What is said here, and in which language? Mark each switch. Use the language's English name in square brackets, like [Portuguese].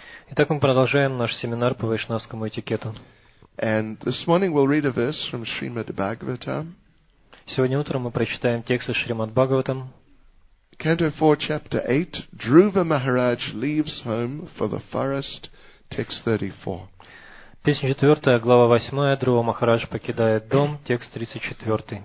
[Russian] Итак, мы продолжаем наш семинар по вайшнавскому этикету. [English] And this morning we'll read a verse from Srimad Bhagavatam. [Russian] Сегодня утром мы прочитаем текст из Шримад Бхагаватам. [English] Canto 4, Chapter 8, Dhruva Maharaj leaves home for the forest, text 34. [Russian] Песня 4, глава 8, Друва Махарадж покидает дом, текст 34.